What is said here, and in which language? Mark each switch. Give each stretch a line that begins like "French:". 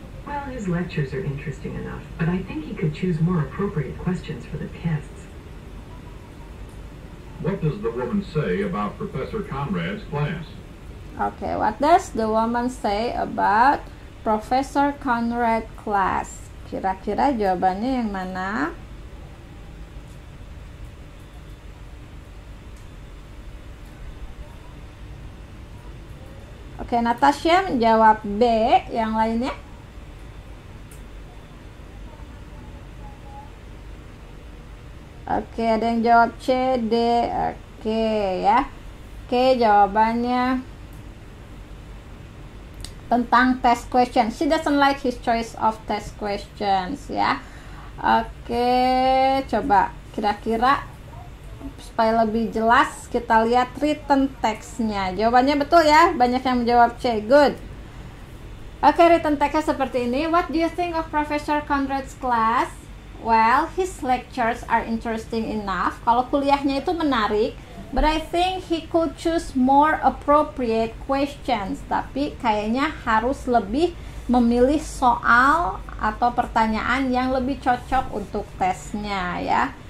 English: Well, his lectures are interesting enough, but I think he could choose more appropriate questions for the tests. What does the woman say about Professor Conrad's class? Okay, what does the woman say about Professor Conrad's class?
Indonesian: Kira-kira jawabannya yang mana? Oke, okay, Natasha menjawab B, yang lainnya? Oke, okay, ada yang jawab C, D, oke okay, ya. Oke, okay, jawabannya tentang test question.
English: She doesn't like his choice of test questions, ya.
Indonesian: Oke, okay, coba kira-kira supaya lebih jelas kita lihat written text-nya. Jawabannya betul ya, banyak yang menjawab C. Good. Oke, okay, written text-nya seperti ini.
English: What do you think of Professor Conrad's class? Well, his lectures are interesting enough.
Indonesian: Kalau kuliahnya itu menarik,
English: but I think he could choose more appropriate questions.
Indonesian: Tapi kayaknya harus lebih memilih soal atau pertanyaan yang lebih cocok untuk tesnya ya.